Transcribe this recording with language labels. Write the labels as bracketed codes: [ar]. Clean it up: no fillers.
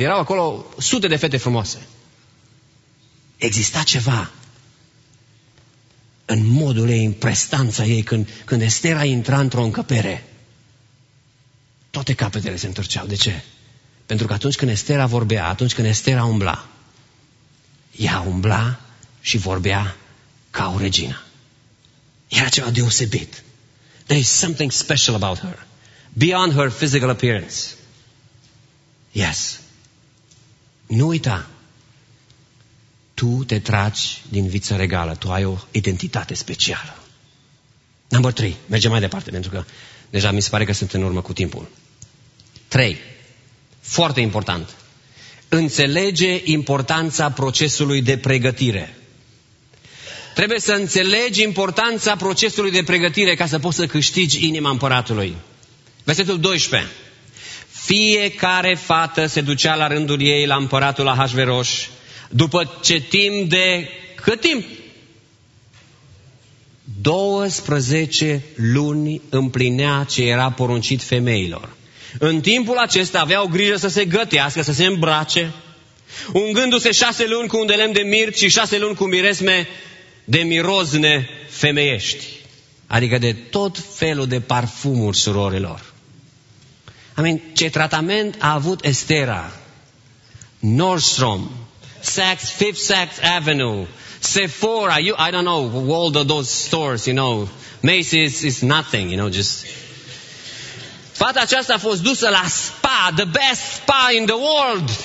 [ro] Erau acolo sute de fete frumoase. Exista ceva în modul ei, în prestanța ei, când Ester a intrat într-o încăpere. Toate capetele se întorceau. De ce? Pentru că atunci când Ester vorbea, atunci când Ester umbla, ea umbla și vorbea ca o regină. Era ceva deosebit. [en] There is something special about her. Beyond her physical appearance. Yes. [ro] Nu uita. Tu te tragi din viță regală. Tu ai o identitate specială. [en] Number 3. [ro] Mergem mai departe, pentru că deja mi se pare că sunt în urmă cu timpul. 3. Foarte important. Înțelege importanța procesului de pregătire. Trebuie să înțelegi importanța procesului de pregătire ca să poți să câștigi inima împăratului. Versetul 12. Fiecare fată se ducea la rândul ei la împăratul Ahasveroș după ce timp de cât timp? 12 luni împlinea ce era poruncit femeilor. În timpul acesta aveau grijă să se gătească, să se îmbrace, ungându-se 6 luni cu un de lemn de mirt și 6 luni cu miresme de mirozne femeiești, adică de tot felul de parfumuri surorilor. Ce tratament a avut Estera? [en] Nordstrom, Saks, Fifth Saks Avenue, Sephora, I don't know, all of those stores, you know, Macy's is nothing, you know, just... [ro] Fata aceasta a fost dusă la spa, [en] the best spa in the world.